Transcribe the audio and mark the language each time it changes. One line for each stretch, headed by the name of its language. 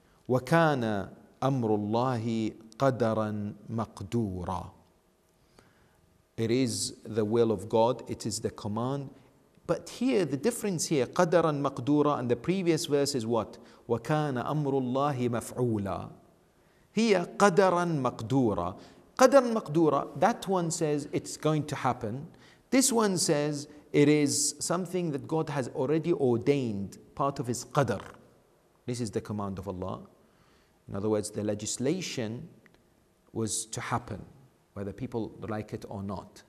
Arabic: وَكَانَ أَمْرُ اللَّهِ قَدَرًا مَقْدُورًا.
English: It is the will of God. It is the command. But here, the difference here,
Arabic: قَدَرًا مَقْدُورًا,
English: and the previous verse is what?
Arabic: وَكَانَ أَمْرُ اللَّهِ مَفْعُولًا.
English: Here,
Arabic: قَدَرًا مَقْدُورًا. قَدَرًا مَقْدُورًا,
English: that one says it's going to happen. This one says it is something that God has already ordained, part of his qadr. This is the command of Allah. In other words, the legislation was to happen, whether people like it or not.